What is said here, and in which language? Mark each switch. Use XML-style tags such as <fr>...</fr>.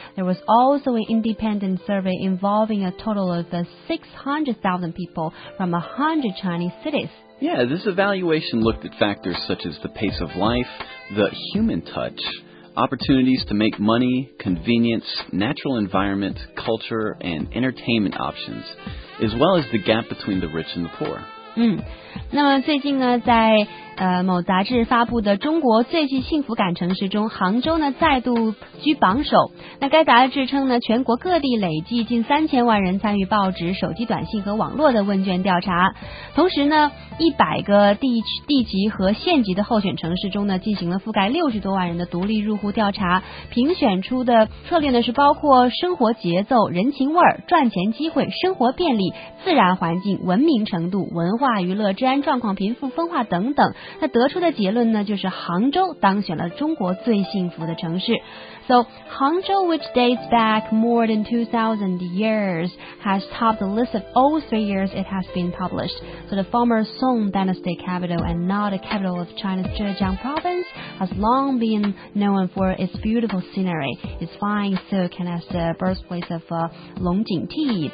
<en>There was also an independent survey involving a total of 600,000 people from 100 Chinese cities. Yeah, this evaluation looked at factors such as the pace of life, the human touch, opportunities to make money, convenience, natural environment, culture, and entertainment options, as well as the gap between the rich and the poor.</en> <zh>那么最近呢，在某杂志发布的中国最具幸福感城市中，杭州呢再度居榜首。那该杂志称呢，全国各地累计近3000万人参与报纸、手机短信和网络的问卷调查。同时呢，100个地级和县级的候选城市中呢，进行了覆盖60多万人的独立入户调查。评选出的策略呢，是包括生活节奏、人情味、赚钱机会、生活便利、自然环境、文明程度、文化娱乐、治安状况、贫富分化等等。那得出的结论呢，就是杭州当选了中国最幸福的城市。</zh> <en>So, Hangzhou, which dates back more than 2,000 years, has topped the list of all 3 years it has been published. So, the former Song Dynasty capital and now the capital of China's Zhejiang province has long been known for its beautiful scenery, its fine silk, and as the birthplace of Longjing tea.</en>